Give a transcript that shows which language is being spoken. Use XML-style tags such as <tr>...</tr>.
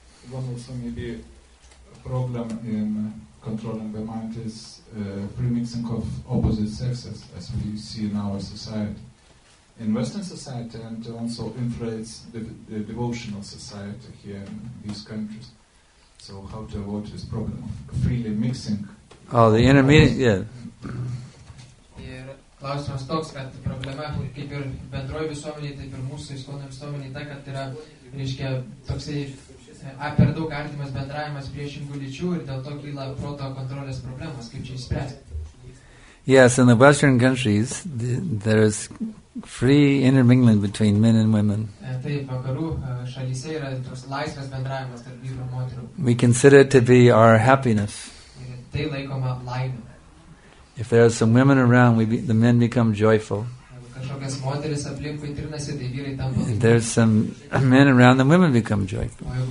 <en>One also maybe a problem in controlling the mind is premixing of opposite sexes, as we see in our society. In Western society, and also influence the devotional society here in these countries. So how to avoid this problem of freely mixing? Oh, the intermediate, yeah.</en> <lt>Klausimas toks, kad problema kaip ir bendroji visuomenė, taip ir mūsų iskonų visuomenė, ta, kad yra, reiškia, toksai per daug artimas bendravimas priešingų lyčių ir dėl to kyla proto kontrolės problemas, kaip čia išspręsti.</lt> <en>Yes, in the Western countries, there is free intermingling between men and women.</en> <lt>Taip, vakarų šalyse yra toks laisvas bendravimas tarp vyrų ir moterų.</lt> <en>We consider it to be our happiness.</en> <lt>Tai laikoma laimė.</lt> <en>If there are some women around, the men become joyful. If there are some men around, the women become joyful.</en>